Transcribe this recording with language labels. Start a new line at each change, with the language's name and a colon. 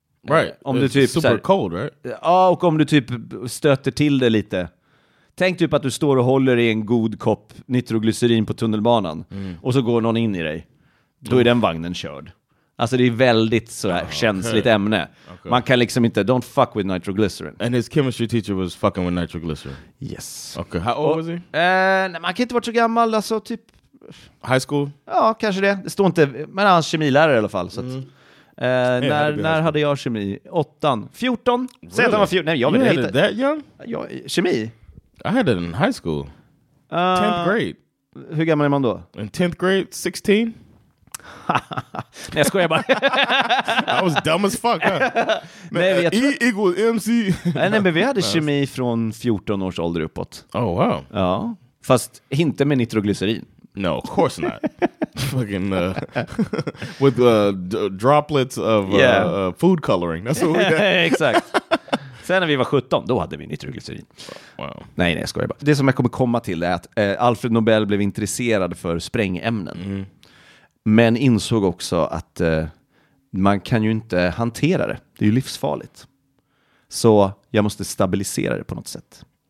Swedish: Right. Om du typ, super såhär, cold, right? Ja, och om du typ stöter till det lite. Tänk typ att du står och håller i en god kopp nitroglycerin på tunnelbanan. Och så går någon in i dig. Då är den vagnen körd. Alltså det är väldigt så känsligt ämne.
English: Okay. Man kan liksom inte, don't fuck with nitroglycerin. And his chemistry teacher was fucking with nitroglycerin. Yes. Okay, how old was he?
Swedish: Nej, man kan inte vara så gammal, alltså typ...
English: High school?
Swedish: Ja, kanske det. Det står inte, men han är kemilärare i alla fall, så att... när hade jag kemi? 8:an. 14. Really? Säg att han var 14. Nej, jag
English: vill inte. That young?
Swedish: Ja, kemi.
English: I had it in high school. 10th grade.
Swedish: Hur gammal är man då?
English: In 10th grade, 16.
Swedish: Nej, jag skojar bara.
English: I was dumb as fuck. Huh? Nej, E equals MC.
Swedish: Nej, men vi hade kemi från 14 års ålder uppåt.
English: Oh, wow.
Swedish: Ja, fast inte med nitroglycerin.
English: No, of course not. Fucking with droplets of food coloring. That's what we got.
Swedish: Exakt. Sen när vi var 17, då hade vi nitroglycerin.
English: Wow.
Swedish: Nej, jag skojar bara. Det som jag kommer komma till är att Alfred Nobel blev intresserad för sprängämnen. Men insåg också att man kan ju inte hantera det. Det är ju livsfarligt. Så jag måste stabilisera det på något sätt.